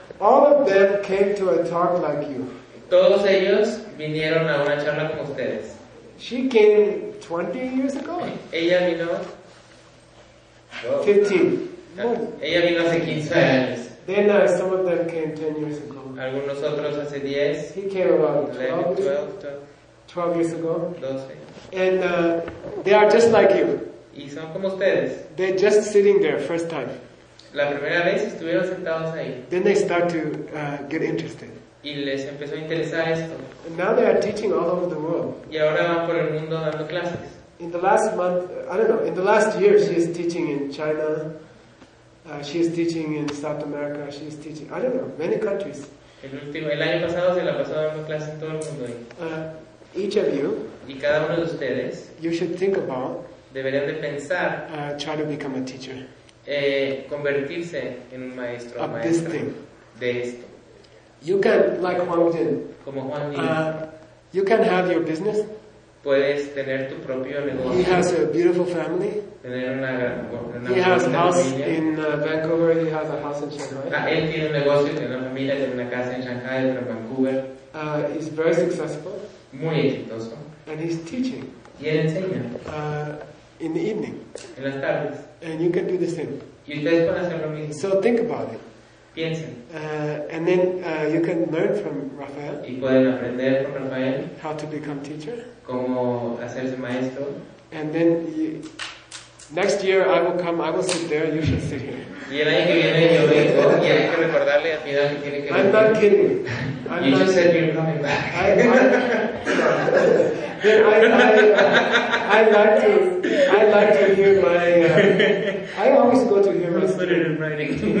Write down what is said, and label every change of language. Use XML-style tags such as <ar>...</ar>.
<en>All of them came to a talk like you.</en> <es>Todos ellos vinieron a una charla como ustedes.</es> <en>She came 20 years ago.</en> <es>Ella vino. 15. Ella vino hace 15 años.</es> <en>Then some of them came 10 years ago.</en> <es>Algunos otros hace 10.</es> <en>He came about 12 years ago. 12. And they are just like you.</en> <es>Y son como ustedes.</es> <en>They're just sitting there first time.</en> <es>La primera vez estuvieron sentados ahí.</es> <en>Then they start to get interested.</en> <es>Y les empezó a interesar esto.</es> <en>And now they are teaching all over the world.</en> <es>Y ahora van por el mundo dando clases.</es> <en>In the last month, I don't know, in the last year she is teaching in China. She is teaching in South America. She is teaching, I don't know, many countries.</en> <es>El año pasado se la pasó dando clases en todo el mundo.</es> <en>Each of you,</en> <es>y cada uno de ustedes,</es> <en>you should think about,</en> <es>deberían de pensar,</es> <en>try to become a teacher.</en> <es>Convertirse en un maestro,</es> <en>of this thing.</en> <es>De esto.</es> <en>You can, like Huang Jin,</en> <es>como Huang Jin,</es> <en>you can have your business.</en> <es>Puedes tener tu propio negocio.</es> <en>He has a beautiful family.</en> <es>Tener una</es> <en>he has a house in Vancouver, he has a house in Shanghai.</en> <es>Él tiene un negocio, tiene una familia, tiene una casa en Shanghai, otra en Vancouver.</es> <en>He's very successful.</en> <es>Muy exitoso.</es> <en>And he's teaching.</en> <es>Y él enseña.</es> <en>In the evening.</en> <es>En las tardes.</es> <en>And you can do the same.</en> <es>Y ustedes pueden hacer lo mismo.</es> <en>So think about it. And then you can learn from Rafael,</en> <es>y pueden aprender con Rafael</es> <en>how to become teacher,</en> <es>cómo hacerse maestro.</es> <en>And then you, next year I will come, I will sit there, you should sit here.</en> <es>Y el año que viene yo vengo y hay que recordarle a Pidal que tiene que</es> <en>venir. I'm not kidding. You should say you're coming back. I like to hear my I always go to hear my put it in writing.</en>